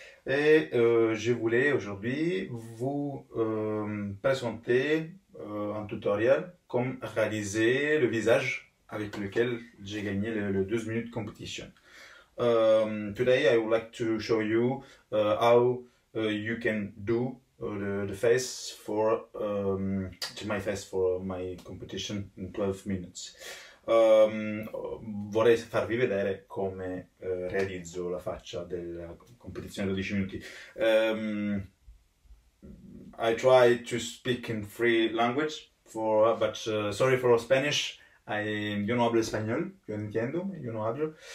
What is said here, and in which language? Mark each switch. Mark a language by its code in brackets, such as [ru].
[fr] Et je voulais aujourd'hui vous présenter un tutoriel comment réaliser le visage avec lequel j'ai gagné le 12 minutes competition. [en] Today I would like to show you how you can do the face for to my face for my competition in 12 minutes. [it] Vorrei farvi vedere come realizzo la faccia della competizione di 12 minuti. [en] I try to speak in three languages, but sorry for Spanish. [it] Io non parlo spagnolo, io intendo, io non parlo.